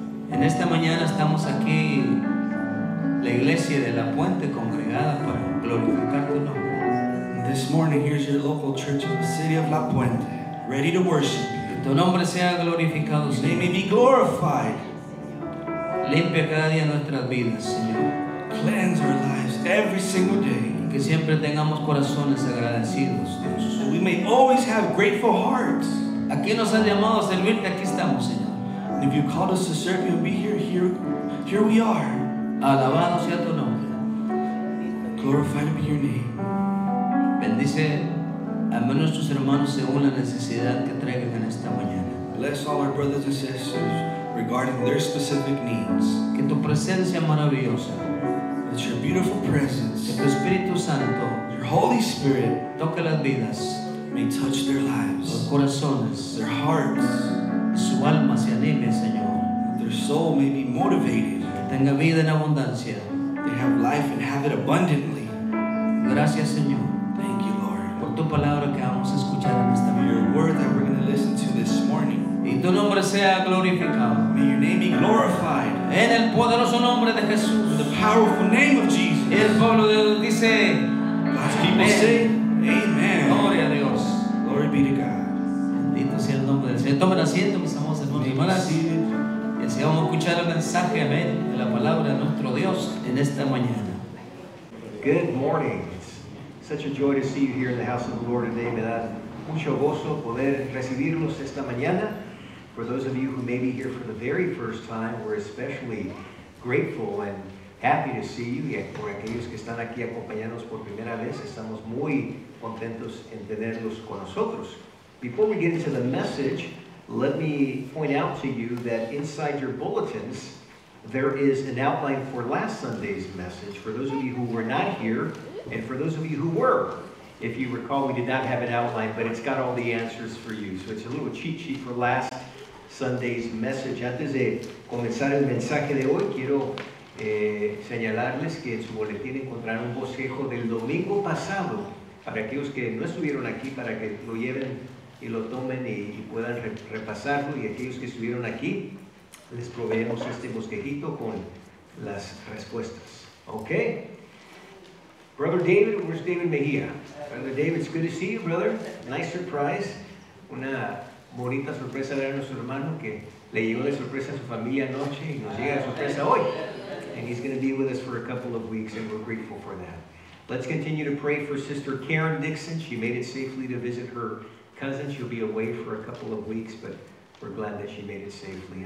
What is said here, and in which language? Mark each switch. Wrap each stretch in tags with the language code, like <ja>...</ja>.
<es>En esta mañana estamos aquí, la iglesia de La Puente, congregada para glorificar tu nombre.</es> <en>This morning, here's your local church of the city of La Puente, ready to worship.</en> <es>Tu nombre sea glorificado, Señor.</es> <en>May be glorified.</en> <es>Limpia cada día nuestras vidas, Señor.</es> <en>Cleanse our lives every single day.</en> <es>Que siempre tengamos corazones agradecidos, Dios.</es> <en>So we may always have grateful hearts.</en> <es>Aquí nos has llamado a servirte, aquí estamos, Señor.</es> <en>And if you called us to serve, you'll be here. Here we are.</en> <es>Alabado sea tu nombre.</es> <en>Glorified be your name.</en> <es>Bendice a nuestros hermanos según la necesidad que traigan en esta mañana.</es> <en>Bless all our brothers and sisters regarding their specific needs.</en> <es>Que tu presencia maravillosa,</es> <en>it's your beautiful presence,</en> <es>que tu Espíritu Santo,</es> <en>your Holy Spirit,</en> <es>toque las vidas,</es> <en>may touch their lives,</en> <es>los corazones,</es> <en>their hearts,</en> <es>su alma se anime, Señor,</es> <en>their soul may be motivated,</en> <es>que tenga vida en abundancia,</es> <en>they have life and have it abundantly.</en> <es>Gracias, Señor.</es> <en>Thank you, Lord.</en> <es>Por tu palabra que vamos a escuchar en esta mañana.</es> <en>Your word that we're going to listen to this morning.</en> <es>Y tu nombre sea glorificado.</es> <en>May your name be glorified.</en> <es>En el poderoso nombre de Jesús.</es> <en>In the powerful name of Jesus.</en> <es>El pueblo de Dios dice,</es> <en>God's people say, amen.</en> <es>Gloria a Dios.</es> <en>Glory be to God.</en> <es>Bendito sea el nombre del Señor. Tomen asiento, mis amados hermanos y hermanas. Y así vamos a escuchar el mensaje, amén, de la palabra de nuestro Dios en esta mañana.</es> <en>Good morning. Such a joy to see you here in the house of the Lord today.</en> <es>Me da mucho gozo poder recibirlos esta mañana.</es> <en>For those of you who may be here for the very first time, we're especially grateful and happy to see you.</en> <es>Y por aquellos que están aquí acompañándonos por primera vez, estamos muy contentos en tenerlos con nosotros.</es> <en>Before we get into the message, let me point out to you that inside your bulletins, there is an outline for last Sunday's message. For those of you who were not here, and for those of you who were, if you recall, we did not have an outline, but it's got all the answers for you. So it's a little cheat sheet for last Sunday's message.</en> <es>Antes de comenzar el mensaje de hoy, quiero señalarles que en su boletín encontrarán un bosquejo del domingo pasado para aquellos que no estuvieron aquí, para que lo lleven y lo tomen y puedan repasarlo. Y aquellos que estuvieron aquí, les proveemos este bosquejito con las respuestas.</es> <en>Okay. Brother David, where's David Mejia? Brother David, it's good to see you, brother. Nice surprise.</en> <es>Una bonita sorpresa de nuestro hermano que le llegó de sorpresa a su familia anoche y nos llega de sorpresa hoy.</es> <en>And he's going to be with us for a couple of weeks, and we're grateful for that. Let's continue to pray for Sister Karen Dixon. She made it safely to visit her cousin. She'll be away for a couple of weeks, but we're glad that she made it safely.</en>